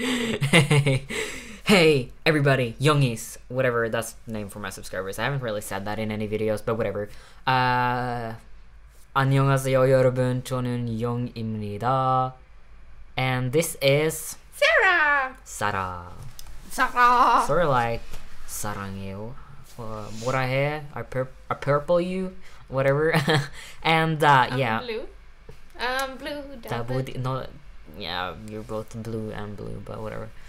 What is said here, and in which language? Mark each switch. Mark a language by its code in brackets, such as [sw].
[en] Hey, everybody, youngies, whatever, that's the name for my subscribers. I haven't really said that in any videos, but whatever. [ko] 안녕하세요, 여러분, 저는 영입니다. [en] And this is... Sarah! Sort of like, [ko] 사랑해요, 뭐라해, [en] I purple you, whatever. And, yeah. I'm blue, da, but... no, yeah, you're both blue and blue, but whatever.